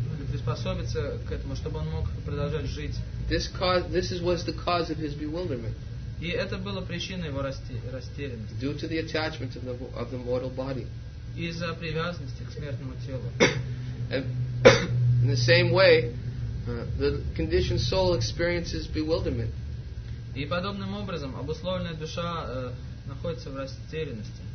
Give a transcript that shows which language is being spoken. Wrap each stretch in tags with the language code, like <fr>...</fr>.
<ru>Приспособиться к этому, чтобы он мог продолжать жить.</ru> <en>This was the cause of his bewilderment.</en> <ru>И это было причиной его растерянности.</ru> <en>Due to the attachment of the mortal body.</en> <ru>Из-за привязанности к смертному телу.</ru> <en>And in the same way, the conditioned soul experiences bewilderment.</en> <ru>И подобным образом обусловленная душа находится в растерянности.</ru>